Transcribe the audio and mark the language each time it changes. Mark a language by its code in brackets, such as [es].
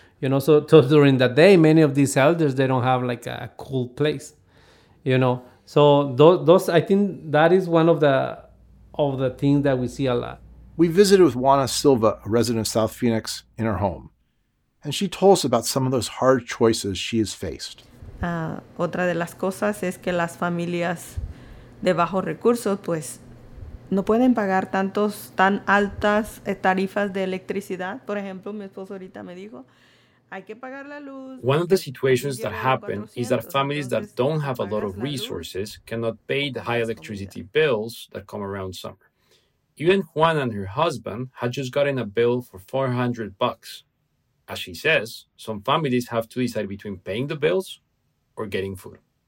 [en] You know, so during the day, many of these elders, they don't have like a cool place, you know. So those, I think that is one of the things that we see a lot. We visited with Juana Silva, a resident of South Phoenix, in her home. And she told us about some of those hard choices she has faced. [es] Otra de las cosas es que las familias de bajos recursos, pues, no pueden pagar tantos tan altas tarifas de electricidad. Por ejemplo, mi esposo ahorita me dijo, hay que pagar la luz. [en] One of the situations that happen is that families that don't have a lot of resources cannot pay the high electricity bills that come around summer. Even Juan and her husband had just gotten a bill for $400. As she says, some families have to decide between paying the bills or getting food.